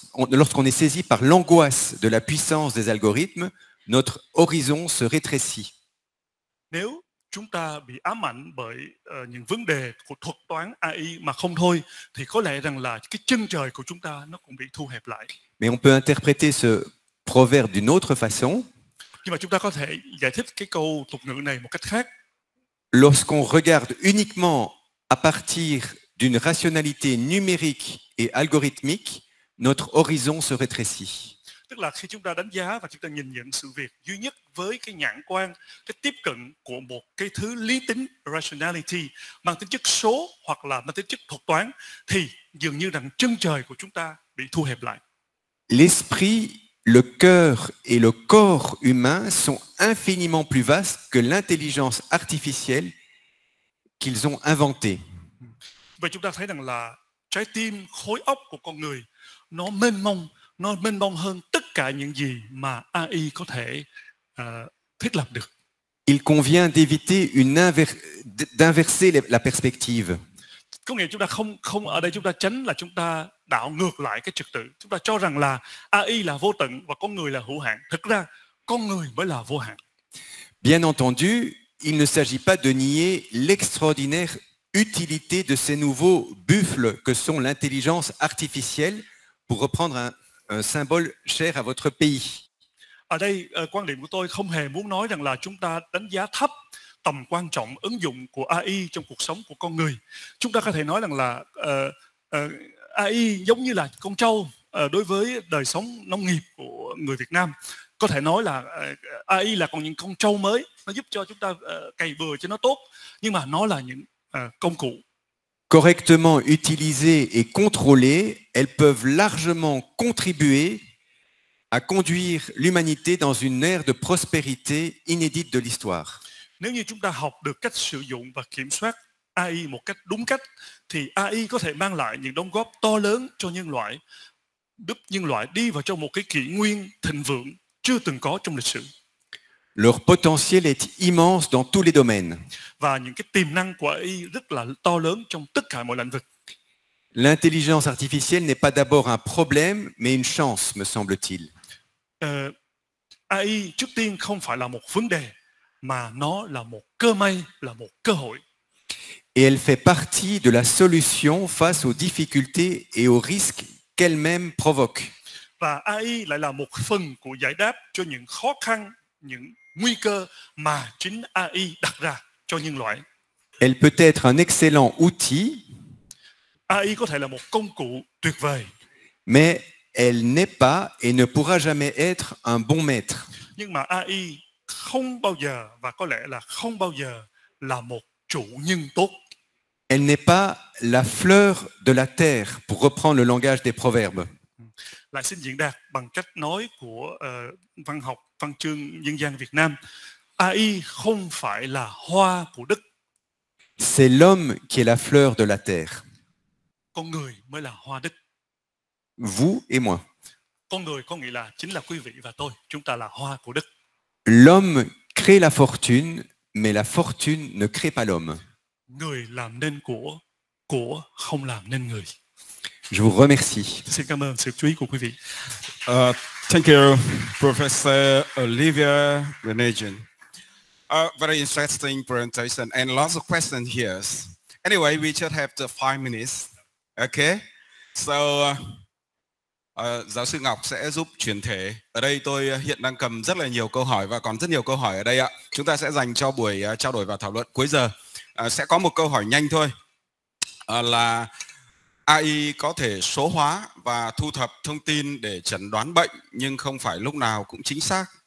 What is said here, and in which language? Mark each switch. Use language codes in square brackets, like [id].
[fr] Lorsqu'on est saisi par l'angoisse de la puissance des algorithmes, notre horizon se rétrécit. [vi] Nếu chúng ta bị ám ảnh bởi những vấn đề của thuật toán AI mà không thôi, thì có lẽ rằng là cái chân trời của chúng ta nó cũng bị thu hẹp lại. [fr] Mais on peut interpréter ce proverbe d'une autre façon. [vi] Nhưng mà chúng ta có thể giải thích cái câu tục ngữ này một cách khác. [fr] Lorsqu'on regarde uniquement à partir d'une rationalité numérique et algorithmique, notre horizon se rétrécit. [vi] Tức là khi chúng ta đánh giá và chúng ta nhìn nhận sự việc duy nhất với cái nhãn quan, cái tiếp cận của một cái thứ lý tính, rationality, mang tính chất số hoặc là mang tính chất thuật toán, thì dường như rằng chân trời của chúng ta bị thu hẹp lại. [fr] L'esprit, le cœur et le corps humain sont infiniment plus vastes que l'intelligence artificielle qu'ils ont inventée. [vi] Vậy chúng ta thấy rằng là trái tim, khối óc của con người, nó mênh mông hơn tất cả những gì mà AI có thể thiết lập được. [fr] Il convient d'éviter d'inverser la perspective. [vi] Có nghĩa chúng ta không ở đây chúng ta tránh là chúng ta đảo ngược lại cái trật tự. Chúng ta cho rằng là AI là vô tận và con người là hữu hạn. Thực ra con người mới là vô hạn. [fr] Bien entendu, il ne s'agit pas de nier l'extraordinaire utilité de ces nouveaux buffles que sont l'intelligence artificielle, pour reprendre un symbole cher à votre pays. [vi] À đây, quan điểm của tôi không hề muốn nói rằng là chúng ta đánh giá thấp tầm quan trọng ứng dụng của AI trong cuộc sống của con người. Chúng ta có thể nói rằng là AI giống như là con trâu đối với đời sống nông nghiệp của người Việt Nam. Có thể nói là AI là còn những con trâu mới, nó giúp cho chúng ta cày bừa cho nó tốt, nhưng mà nó là những công cụ [fr] correctement utilisées et contrôlées, elles peuvent largement contribuer à conduire l'humanité dans une ère de prospérité inédite de l'histoire. [vi] Nếu như chúng ta học được cách sử dụng và kiểm soát AI một cách đúng cách, thì AI có thể mang lại những đóng góp to lớn cho nhân loại, giúp nhân loại đi vào trong một cái kỷ nguyên thịnh vượng chưa từng có trong lịch sử. [fr] Leur potentiel est immense dans tous les domaines. [vi] Và những cái tiềm năng của AI rất là to lớn trong tất cả mọi lĩnh vực. [fr] L'intelligence artificielle n'est pas d'abord un problème, mais une chance, me semble-t-il. [vi] AI trước tiên không phải là một vấn đề, mà nó là một cơ may, là một cơ hội. [fr] Et elle fait partie de la solution face aux difficultés et aux risques qu'elle-même provoque. [vi] Và AI lại là một phần của giải đáp cho những khó khăn, những nguy cơ mà chính AI đặt ra cho nhân loại. [fr] Elle peut être un excellent outil. [vi] AI có thể là một công cụ tuyệt vời. [fr] Mais elle n'est pas et ne pourra jamais être un bon maître. [vi] Nhưng mà AI không bao giờ và có lẽ là không bao giờ là một chủ nhân tốt. [fr] Elle n'est pas la fleur de la terre, pour reprendre le langage des proverbes. [vi] Lại xin diễn đạt bằng cách nói của văn học, văn chương dân gian Việt Nam. AI không phải là hoa của đất. [fr] C'est l'homme qui est la fleur de la terre. [vi] Con người mới là hoa đất. [fr] Vous et moi. [vi] Con người có nghĩa là chính là quý vị và tôi. Chúng ta là hoa của đất. [fr] L'homme crée la fortune, mais la fortune ne crée pas l'homme. [vi] Người làm nên của không làm nên người. [fr] Je vous remercie. [vi] Xin cảm ơn sự chú ý của quý vị. [en] Thank you, Professor Olivia Renegian. Very interesting presentation and lots of questions here. Anyway, we just have the 5 minutes. Okay, so [vi] giáo sư Ngọc sẽ giúp chuyển thể. Ở đây tôi hiện đang cầm rất là nhiều câu hỏi và còn rất nhiều câu hỏi ở đây ạ. Chúng ta sẽ dành cho buổi trao đổi và thảo luận cuối giờ. Sẽ có một câu hỏi nhanh thôi, là AI có thể số hóa và thu thập thông tin để chẩn đoán bệnh nhưng không phải lúc nào cũng chính xác.